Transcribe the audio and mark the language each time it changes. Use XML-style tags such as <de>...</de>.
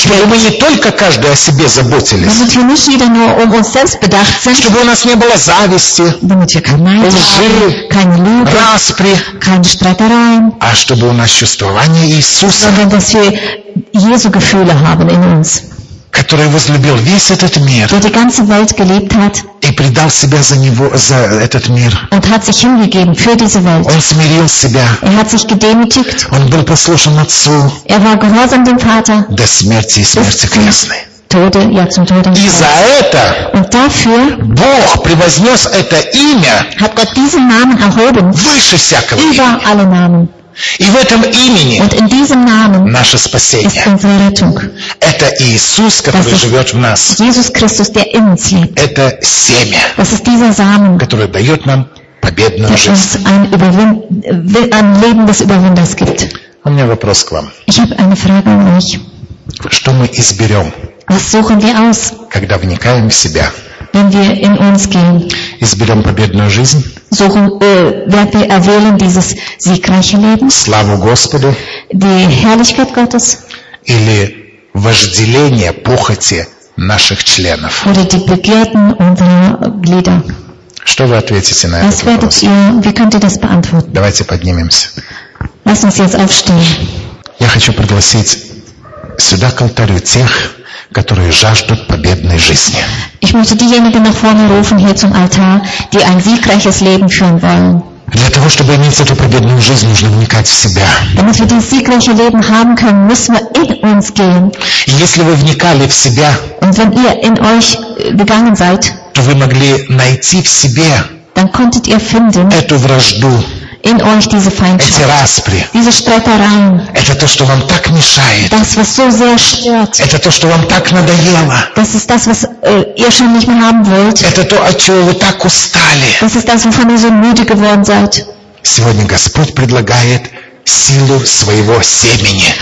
<ru>Чтобы мы не только каждый о себе заботились.</ru> <de>Damit wir nicht jeder nur um uns selbst bedacht sind.</de> <ru>Чтобы у нас не было зависти.</ru> <de>Damit wir keine Neid,</de> <ru>лжи,</ru> <de>keine Lüge,</de> <ru>распри,</ru> <de>keine Streitereien.</de> <ru>А чтобы у нас чувствование Иисуса.</ru> <de>Sondern dass wir Jesu Gefühle haben in uns.</de> <ru>Который возлюбил весь этот мир.</ru> <de>Der die ganze Welt geliebt hat.</de> <ru>И предал себя за него, за этот мир.</ru> <de>Und hat sich hingegeben für diese Welt.</de> <ru>Он смирил себя.</ru> <de>Er hat sich gedemütigt.</de> <ru>Он был послушен отцу.</ru> <de>Er war gehorsam dem Vater.</de> <ru>До смерти и смерти крестной.</ru> <de>Tode, ja, zum Tode.</de> <ru>И за это</ru> <de>und dafür</de> <ru>Бог превознес это имя.</ru> <de>Hat Gott diesen Namen erhoben.</de> <ru>Выше всякого имени.</ru> <de>Über alle Namen.</de> <ru>И в этом имени</ru> <de>und in diesem Namen</de> <ru>наше спасение. Это Иисус, который живет в нас.</ru> <de>Jesus Christus, der in uns lebt.</de> <ru>Это семя,</ru> <de>das ist dieser Samen,</de> <ru>которое дает нам победную жизнь.</ru> <de>Ein Leben des Überwinders gibt.</de> <ru>У меня вопрос к вам.</ru> <de>Ich habe eine Frage an euch.</de> <ru>Что мы изберем,</ru> <de>was suchen wir aus,</de> <ru>когда вникаем в себя?</ru> <de>Wenn wir in uns gehen,</de> <ru>изберем победную жизнь,</ru> <de>suchen, werden wir erwählen dieses siegreiche Leben,</de> <ru>славу Господу,</ru> <de>die Herrlichkeit Gottes,</de> <ru>или вожделение похоти наших членов,</ru> <de>oder die Begierden unserer Glieder.</de> <ru>Что вы ответите на этот вопрос?</ru> <de>Wie könnt ihr das beantworten?</de> <ru>Давайте поднимемся.</ru> <de>Lass uns jetzt aufstehen.</de> <ru>Я хочу пригласить сюда к алтарю тех, которые жаждут победной жизни.</ru> <de>Ich möchte diejenigen nach vorne rufen hier zum Altar, die ein siegreiches Leben führen wollen.</de> <ru>Для того, чтобы иметь эту победную жизнь, нужно вникать в себя.</ru> <de>Damit wir dieses siegreiche Leben haben können, müssen wir in uns gehen.</de> <ru>И если вы вникали в себя,</ru> <de>und wenn ihr in euch gegangen seid,</de> <ru>то вы могли найти в себе,</ru> <de>dann konntet ihr finden,</de> <ru>эту вражду,</ru> <de>in euch diese Feindschaft,</de> <ru>эти распри,</ru> <de>diese Streitereien,</de> <ru>это то, что вам так мешает,</ru> <de>das, was so sehr stört,</de> <ru>это то, что вам так надоело,</ru> <de>das ist das, was ihr schon nicht mehr haben wollt,</de> <ru>это то, от чего вы так устали,</ru> <de>das ist das, wovon ihr so müde geworden seid.</de> <ru>Сегодня Господь предлагает силу своего семени.</ru>